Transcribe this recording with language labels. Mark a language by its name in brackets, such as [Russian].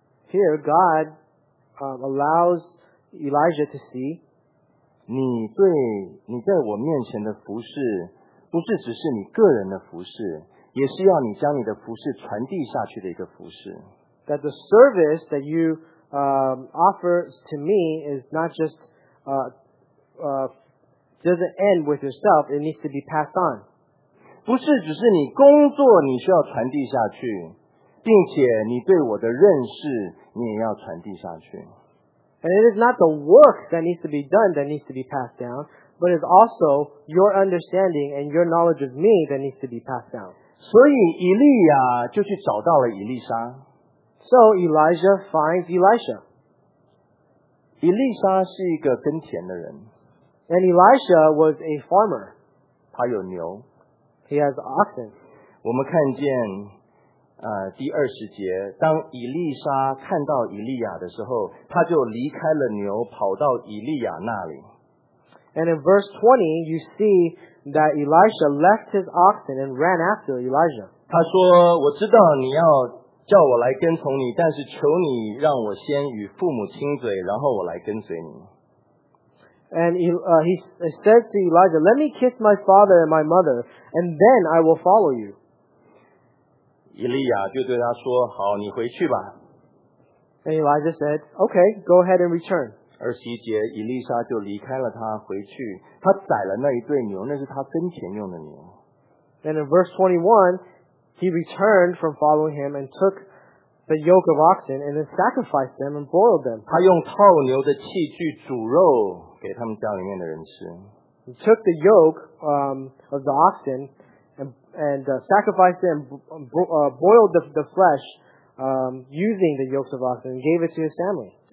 [English] here, God allows Elijah to see. [Chinese] 你在我面前的服事不是只是你个人的服事, 也是要你将你的服事传递下去的一个服事。 [English] That the service that you offer to me is not just doesn't end with yourself, it needs to be passed on. [Chinese] 不是只是你工作你需要传递下去, 并且你对我的认识, 你也要传递下去。 [English] And it is not the work that needs to be done that needs to be passed down, but it's also your understanding and your knowledge of me that needs to be passed down. [Chinese] 所以以利亚就去找到了以利沙。 [English] So Elijah finds Elisha. [Chinese] 以利沙是一个耕田的人。 [English] And Elisha was a farmer. [Chinese] 他有牛。 [English] He has oxen. [Chinese] 我们看见, 第20节, 当以利沙看到以利亚的时候, 他就离开了牛, 跑到以利亚那里。 [English] And in verse 20, you see that Elisha left his oxen and ran after Elijah. [Chinese] 他说, 我知道你要叫我来跟从你, 但是求你让我先与父母亲嘴, 然后我来跟随你。 [English] And he says to Elijah, let me kiss my father and my mother, and then I will follow you. [Chinese] 以利亚就对他说, 好, 你回去吧。 [English] And Elijah said, okay, go ahead and return. [Chinese] 21节, 以利沙就离开了他, 回去, 他宰了那一对牛, 那是他耕田用的牛。 [English] And in verse 21, he returned from following him and took the yoke of oxen and then sacrificed them and boiled them. [Chinese] 他用套牛的器具煮肉给他们家里面的人吃。 [English] He took the yoke of the oxen sacrificed it and boiled the flesh using the yolks of oxen and gave it to his family.